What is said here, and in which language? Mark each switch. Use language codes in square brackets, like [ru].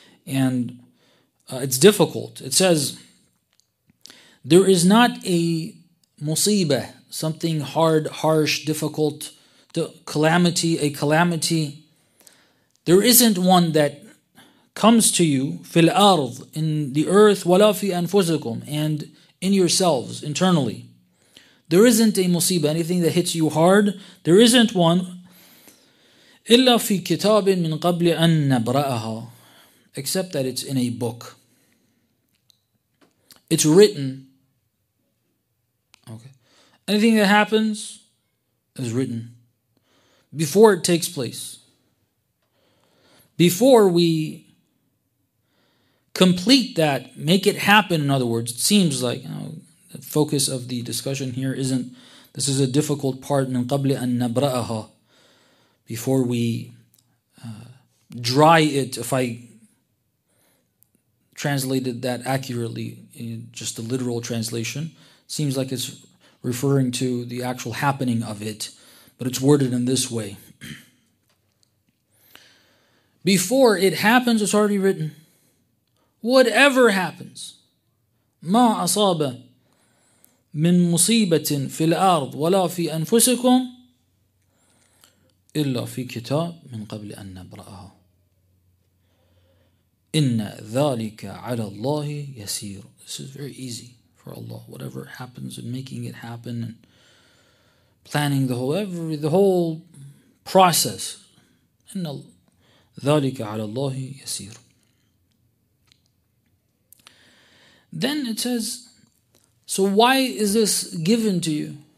[en] And it's difficult. It says, there is not a musibah, something hard, harsh, difficult, a calamity. There isn't one that comes to you, [ar] في الأرض, [en] in the earth, [ar] ولا في أنفسكم, [en] and in yourselves, internally. There isn't a musibah, anything that hits you hard. There isn't one. [ar] إلا في كتاب من قبل أن نبرأها. [en] Except that it's in a book. It's written. Okay. Anything that happens is written. Before it takes place. Before we complete that, make it happen, in other words, it seems like, you know, the focus of the discussion here isn't, this is a difficult part, [ar] من قبل أن نبرأها, [en] before we dry it, if I translated that accurately, in just the literal translation, seems like it's referring to the actual happening of it, but it's worded in this way. Before it happens, it's already written. Whatever happens, [ar] مَا أَصَابَ مِن مُصِيبَةٍ فِي الْأَرْضِ وَلَا فِي أَنفُسِكُمْ إِلَّا فِي كِتَابٍ مِن قَبْلِ أَن نَبْرَأَهَا إِنَّ ذَلِكَ عَلَى اللَّهِ يَسِيرٌ. [en] This is very easy for Allah. Whatever happens and making it happen and planning the whole process. [ar] إِنَّ ذَلِكَ عَلَى اللَّهِ يَسِيرٌ. [en] Then it says, so why is this given to you?